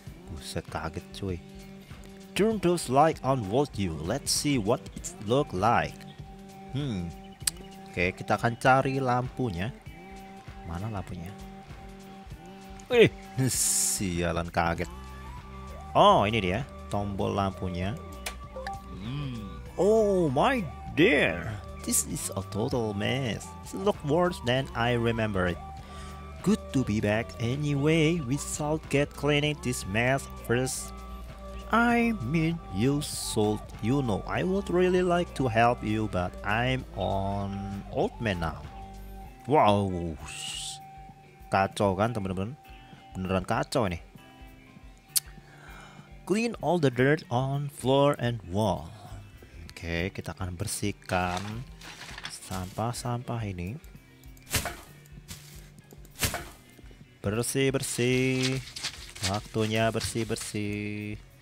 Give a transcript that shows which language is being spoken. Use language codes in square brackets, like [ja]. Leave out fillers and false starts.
[id] Buset, kaget cuy. [en] Turn those light on with you. Let's see what it look like. [id] Oke, kita akan cari lampunya. Mana lampunya? Sialan, kaget. Oh, ini dia tombol lampunya. [en] Oh my dear, this is a total mess. It looks worse than I remember it. Good to be back anyway. We shall get cleaning this mess first. I mean, you should, you know, I would really like to help you, but I'm an old man now. [id] Wow, kacau kan teman-teman? Beneran kacau ini. [en] Clean all the dirt on floor and wall. [id] Oke, kita akan bersihkan sampah-sampah ini. Bersih-bersih. Waktunya bersih-bersih.